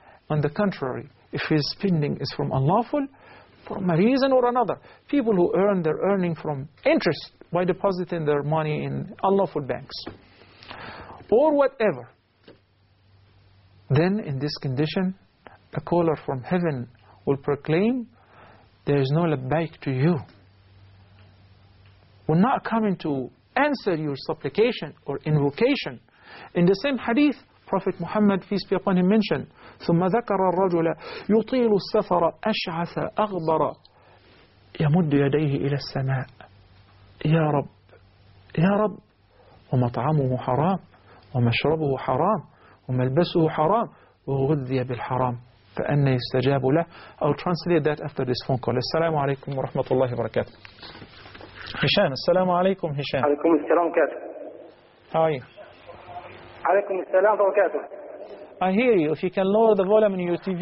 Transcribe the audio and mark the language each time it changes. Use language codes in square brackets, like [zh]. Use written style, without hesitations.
[en] On the contrary, if his spending is from unlawful, from a reason or another, people who earn their earning from interest by depositing their money in unlawful banks or whatever, then in this condition, a caller from heaven will proclaim, "There is no labbaik to you." We're not coming to answer your supplication or invocation. In the same hadith, Prophet Muhammad, peace be upon him, mentioned, [ar] ثُمَّ ذَكَرَ الرَّجُلَ يُطِيلُ السَّفَرَ أَشْعَثَ أَغْبَرَ يَمُدُّ يَدَيْهِ إِلَى السَّمَاءِ يَا رَبِّ يَا رَبِّ وَمَطْعَمُهُ حَرَامٌ وَمَشْرَبُهُ حَرَامٌ وَمَلْبَسُهُ حَرَامٌ وَغُذِّيَ بِالْحَرَامِ فَأَنَّ يَسْتَجَابُ لَهُ. [en] I'll translate that after this phone call. Assalamu alaikum wa rahmatullahi wa barakatuh. Hisham, assalamu alaikum, Hisham. Alaikum assalam wa barakatuh. How are you? Alaikum assalam wa barakatuh. I hear you. If you can lower the volume in your TV,